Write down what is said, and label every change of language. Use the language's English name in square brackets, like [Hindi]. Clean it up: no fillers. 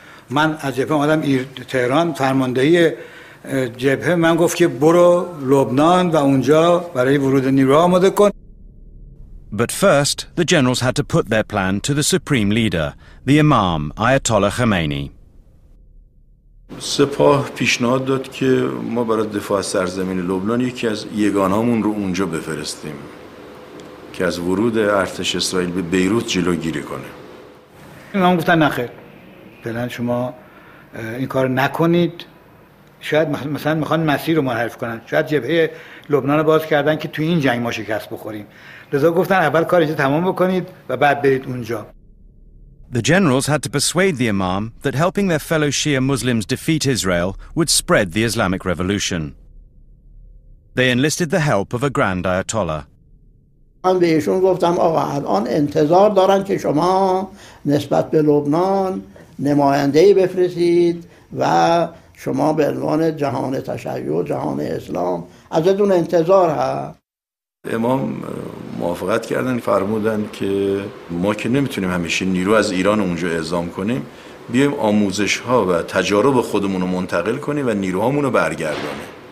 [English] I was in Tehran, the commander of the army said to go to Lebanon and there to go to Iran. But first, the generals had to put their plan to the supreme leader, the Imam Ayatollah Khomeini. [Persian] سپاه پیشنهاد داد که ما برای دفاع از سرزمین لبنان یکی از یگانهامون رو اونجا بفرستیم که از ورود ارتش اسرائیل به بیروت جلوگیری کنه. امام گفتن نخیر. پلن شما این کار نکنید. شاید مثلا میخوان مسیر رو منحرف کنن. شاید جبهه لبنان رو باز کردن که تو این جنگ ما شکست بخوریم. [English] The generals had to persuade the Imam that helping their fellow Shia Muslims defeat Israel would spread the Islamic Revolution. They enlisted the help of a Grand Ayatollah. [Persian] من بهشون گفتم آقا الان انتظار دارن که شما نسبت به لبنان نماینده ای بفرستید و شما به عنوان جهان تشیع و جهان اسلام ازتون انتظار ها. امام موافقت کردن فرمودن که ما که نمیتونیم همیشه نیرو از ایران اونجا اعزام کنیم بیایم آموزش ها و تجارب خودمون رو منتقل کنیم و نیروهامون رو برگردانیم.